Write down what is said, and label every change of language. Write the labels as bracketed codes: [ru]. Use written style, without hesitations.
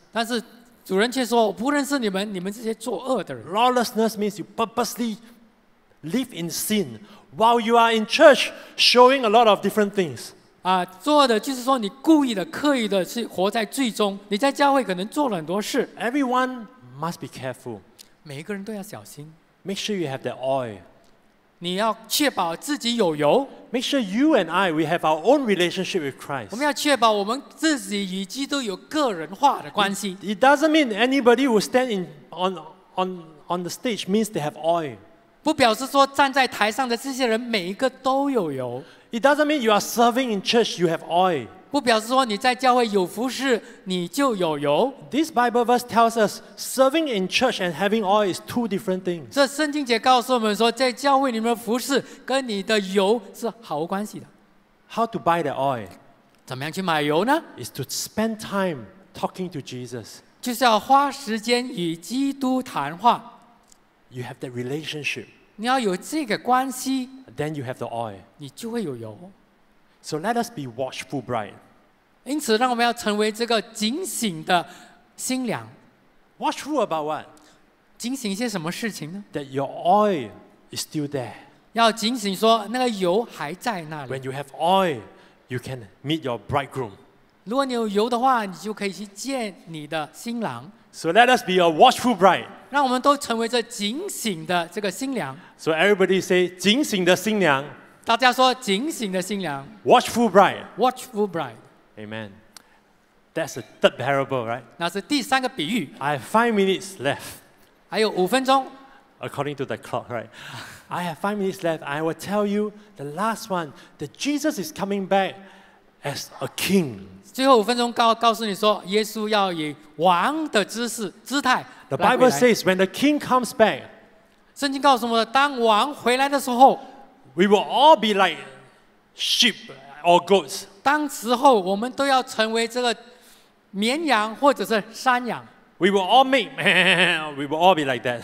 [zh] 但是主人却说，我不认识你们，你们这些作恶的人。 [en] Lawlessness means you purposely live in sin while you are in church, showing a lot of different things. [zh] 做的就是说你故意的刻意的去活在罪中，你在教会可能做了很多事。 [en] Everyone must be careful. [zh] 每个人都要小心。 [en] Make sure you have the oil. [zh] 你要确保自己有油。 [en] Make sure you and I we have our own relationship with Christ. [zh] 我们要确保我们自己与基督有个人化的关系。 [en] It doesn't mean anybody who stand in on the stage means they have oil. [zh] 不表示说站在台上的这些人每一个都有油。 [en] It doesn't mean you are serving in church, you have oil. [zh] 不表示说你在教会有服事，你就有油。 [en] This Bible verse tells us serving in church and having oil is two different things. [zh] 这圣经节告诉我们说，在教会里面服事跟你的油是毫无关系的。 [en] How to buy the oil? [zh] 怎么样去买油呢？ [en] Is to spend time talking to Jesus. [zh] 就是要花时间与基督谈话。 [en] You have that relationship. [zh] 你要有这个关系。 [en] Then you have the oil. [zh] 你就会有油。 [en] So let us be watchful bride. [zh] 因此，让我们要成为这个警醒的新娘。 [en] Watchful about what? [zh] 警醒一些什么事情呢？ [en] That your oil is still there. [zh] 要警醒说那个油还在那里。 [en] When you have oil, you can meet your bridegroom. [zh] 如果你有油的话，你就可以去见你的新郎。 [en] So let us be a watchful bride. [zh] 让我们都成为这警醒的这个新娘。 [en] So everybody say, [zh] 警醒的新娘。大家说警醒的新娘。 [en] Watchful bride. Watchful bride. Amen. That's the third parable, right? [zh] 那是第三个比喻。 [en] I have 5 minutes left. [zh] 还有五分钟。 [en] According to the clock, right? I have 5 minutes left. I will tell you the last one, that Jesus is coming back as a king. [zh] 最后五分钟告诉你说，耶稣要以王的姿态。 [en] The Bible says, when the king comes back, [zh] 圣经告诉我们，当王回来的时候 [en] ，we will all be like sheep or goats. [zh] 当时候我们都要成为这个绵羊或者是山羊。 [en] We will all make, we will all be like that.